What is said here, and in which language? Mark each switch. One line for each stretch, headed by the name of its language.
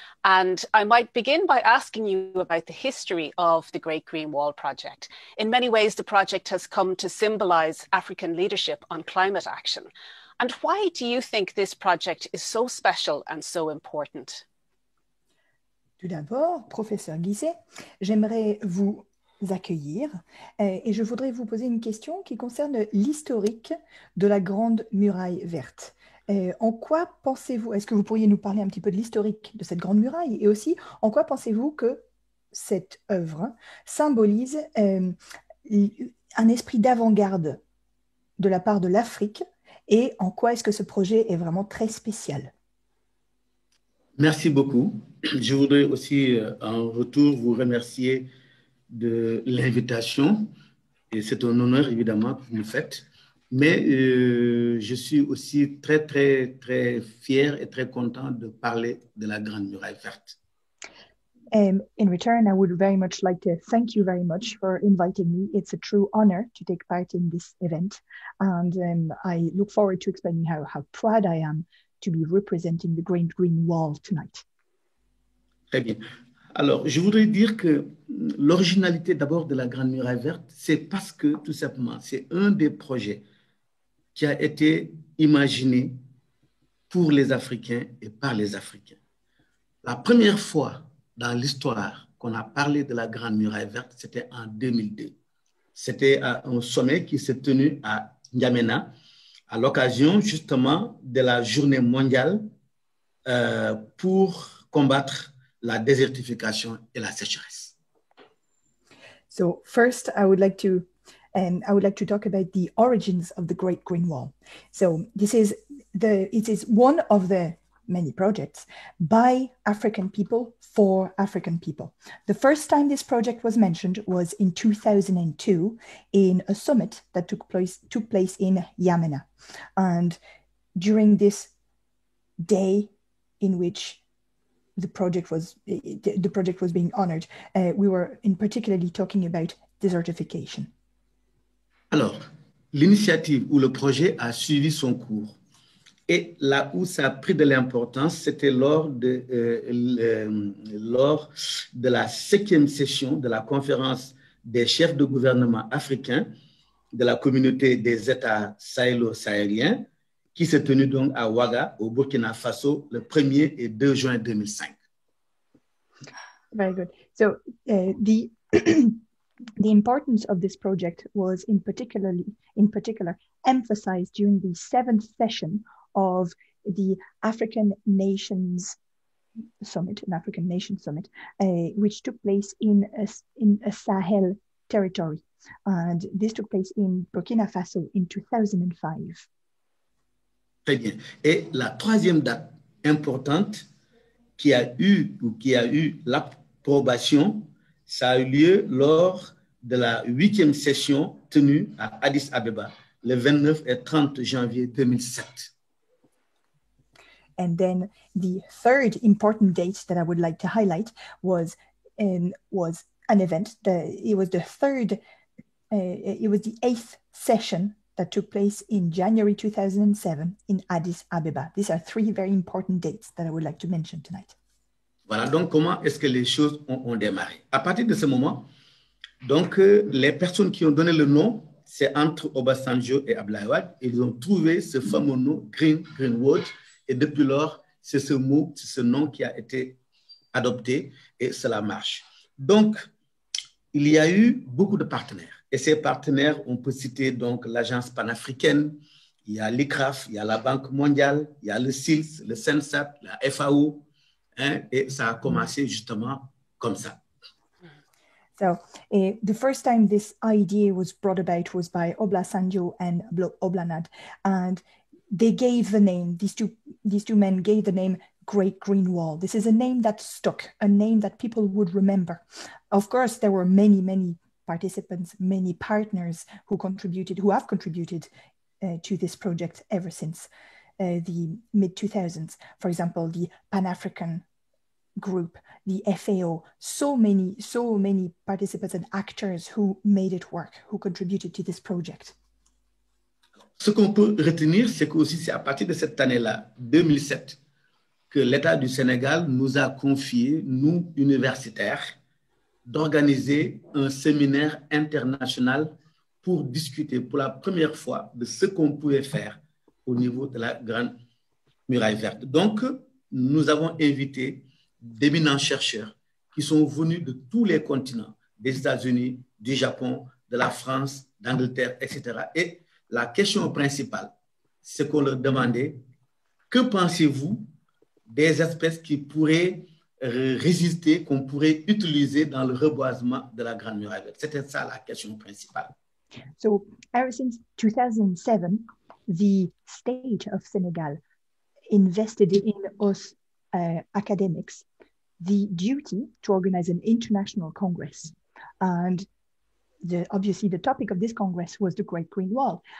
English: And I might begin by asking you about the history of the Great Green Wall Project. In many ways, the project has come to symbolize African leadership on climate action. And why do you think this project is so special and so important?
French: Tout d'abord, Professeur Guissé, j'aimerais vous accueillir et je voudrais vous poser une question qui concerne l'historique de la Grande Muraille Verte. En quoi pensez-vous, est-ce que vous pourriez nous parler un petit peu de l'historique de cette Grande Muraille et aussi en quoi pensez-vous que cette œuvre symbolise un esprit d'avant-garde de la part de l'Afrique et en quoi est-ce que ce projet est vraiment très spécial? Merci beaucoup. Je voudrais aussi en retour vous remercier de l'invitation et c'est un honneur évidemment que vous me faites, mais je suis aussi très très très fier et très content de parler de la Grande Muraille Verte.
English: In return, I would very much like to thank you very much for inviting me. It's a true honor to take part in this event and I look forward to explaining how proud I am to be representing the Great Green Wall tonight.
French: Très bien. Alors, je voudrais dire que l'originalité d'abord de la Grande Muraille Verte, c'est parce que, tout simplement, c'est un des projets qui a été imaginé pour les Africains et par les Africains. La première fois dans l'histoire qu'on a parlé de la Grande Muraille Verte, c'était en 2002. C'était un sommet qui s'est tenu à N'Djamena, à l'occasion justement de la journée mondiale pour combattre la désertification et la sécheresse.
English: So first, I would like to talk about the origins of the Great Green Wall. So it is one of the many projects by African people for African people. The first time this project was mentioned was in 2002 in a summit that took place in N'Djamena, and during this day in which the project was being honored. We were in particularly talking about desertification.
French: Alors, l'initiative ou le projet a suivi son cours. Et là où ça a pris de l'importance, c'était lors de la 7e session de la conférence des chefs de gouvernement africains de la communauté des États sahélo-sahéliens qui s'est tenue donc à Ouaga, au Burkina Faso, le 1er et 2 juin 2005.
English: Very good. So the importance of this project was in particular emphasized during the 7th session of the African Nations Summit, which took place in a Sahel territory, and this took place in Burkina Faso in 2005.
French: Très bien. Et la troisième date importante qui a eu l'approbation, ça a eu lieu lors de la 8e session tenue à Addis Abeba le 29 et 30 janvier 2007.
English: And then the third important date that I would like to highlight was an event. It was the eighth session that took place in January 2007 in Addis Abeba. These are three very important dates that I would like to mention tonight.
French: Voilà, donc comment est-ce que les choses ont démarré? À partir de ce moment, donc les personnes qui ont donné le nom, c'est entre Obasanjo et Ablaiwad, ils ont trouvé ce fameux nom Greenwood. Et depuis lors, c'est ce mot, c'est ce nom qui a été adopté et cela marche. Donc, il y a eu beaucoup de partenaires. Et ces partenaires, on peut citer donc l'agence panafricaine, il y a l'ICRAF, il y a la Banque mondiale, il y a le CILS, le CENSAP, la FAO. Hein, et ça a commencé justement comme ça.
English: So, the first time this idea was brought about was by Obasanjo and Oblanad. And they gave the name, these two men gave the name Great Green Wall. This is a name that stuck, a name that people would remember. Of course, there were many, many participants, many partners who have contributed to this project ever since the mid-2000s. For example, the Pan-African group, the FAO, so many participants and actors who made it work, who contributed to this project.
French: Ce qu'on peut retenir, c'est qu'aussi c'est à partir de cette année-là, 2007, que l'État du Sénégal nous a confié, nous universitaires, d'organiser un séminaire international pour discuter pour la première fois de ce qu'on pouvait faire au niveau de la Grande Muraille Verte. Donc, nous avons invité d'éminents chercheurs qui sont venus de tous les continents, des États-Unis, du Japon, de la France, d'Angleterre, etc. Et la question principale, c'est qu'on leur demandait, que pensez-vous des espèces qui pourraient résister, qu'on pourrait utiliser dans le reboisement de la Grande Muraille Verte? C'était ça la question principale.
English: So, ever since 2007, the state of Senegal invested in us academics the duty to organize an international congress. And obviously the topic of this congress was the Great Green Wall.